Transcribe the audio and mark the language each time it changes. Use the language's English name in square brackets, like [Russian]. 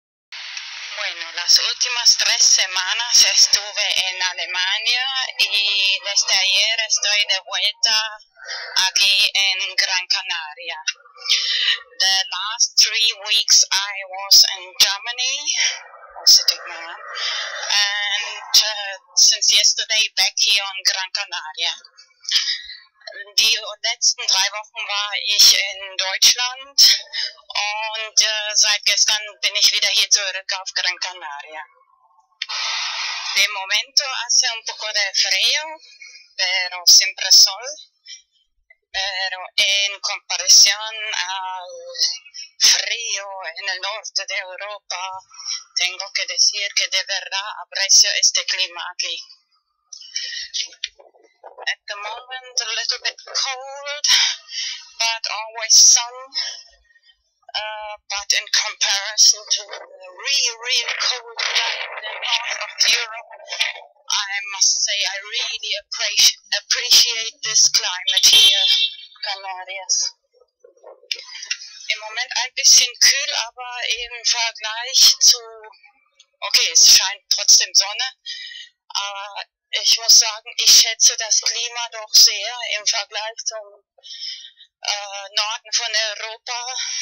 [Spanish] Bueno, las últimas 3 semanas estuve en Alemania y desde ayer estoy de vuelta aquí en Gran Canaria. [English] The last 3 weeks I was in Germany, and since yesterday back here on Gran Canaria. [German] Die letzten 3 Wochen war ich in Deutschland und seit gestern bin ich wieder hier zurück auf Gran Canaria. [Spanish] De momento hace un poco de frío, pero siempre sol. Pero en comparación al frío en el norte de Europa, tengo que decir que de verdad aprecio este clima aquí. [English] At the moment, a little bit cold, but always sun. But in comparison to the really, really cold in the north of Europe, I must say I really appreciate this climate here, Canarias. [German] Im Moment ein bisschen kühl, aber im Vergleich zu... Okay, es scheint trotzdem Sonne, aber... Ich muss sagen, ich schätze das Klima doch sehr im Vergleich zum Norden von Europa.